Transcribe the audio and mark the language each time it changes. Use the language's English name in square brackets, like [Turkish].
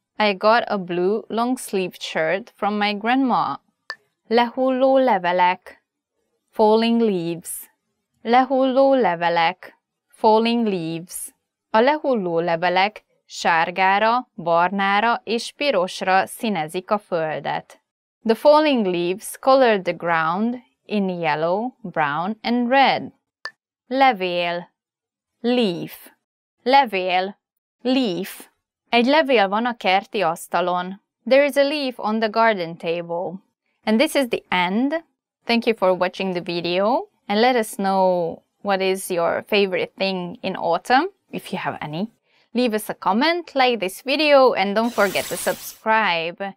[English] I got a blue long-sleeved shirt from my grandma. [Hungarian] Lehulló levelek, [English] falling leaves. [Hungarian] Lehulló levelek, [English] falling leaves. [Hungarian] A lehulló levelek sárgára, barnára és pirosra színezik a földet. [English] The falling leaves color the ground in yellow, brown, and red. [Hungarian] Levél, [English] leaf. Levél, leaf. [Hungarian] Egy levél van a kerti asztalon. [English] There is a leaf on the garden table. And this is the end. Thank you for watching the video. And let us know what is your favorite thing in autumn, if you have any. Leave us a comment, like this video, and don't forget to subscribe.